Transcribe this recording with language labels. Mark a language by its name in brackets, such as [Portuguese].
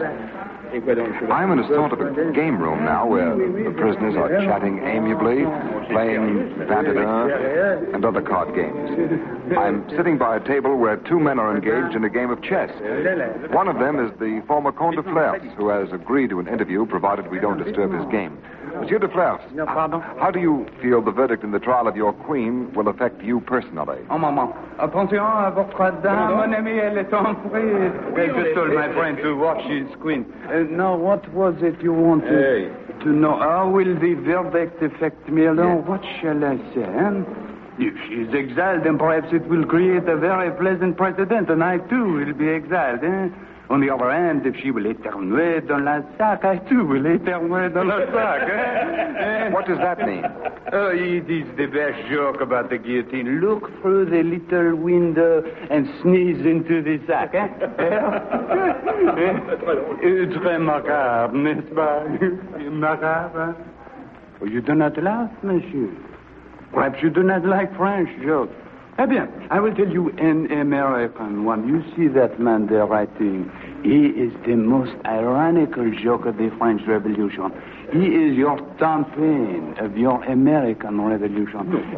[English] I'm in a sort of a game room now where the prisoners are chatting amiably, playing vingt-et-un and other card games. I'm sitting by a table where two men are engaged in a game of chess. One of them is the former Comte de Flers, who has agreed to an interview provided we don't disturb his game. Monsieur de Flers, how do you feel the verdict in the trial of your queen will affect you personally? [French] Oh, maman, attention à votre dame, mon ami, elle est en prise. [English] I just told my friend to watch his queen. Now, what was it you wanted to know? How will the verdict affect me alone? Yes. What shall I say? She's exiled, and perhaps it will create a very pleasant precedent, and I too will be exiled, eh? On the other hand, if she will [French] éternue dans la sac, [English] I too will éternue dans la sac. What does that mean? It is the best joke about the guillotine. Look through the little window and sneeze into the sack, eh? [French] Très macabre, n'est-ce pas? [English] Macabre. Well, you do not laugh, monsieur. Perhaps you do not like French jokes. [French] Eh bien, [English] I will tell you an American one. You see that man there writing. He is the most ironical joke of the French Revolution. He is your Tom Paine of your American Revolution.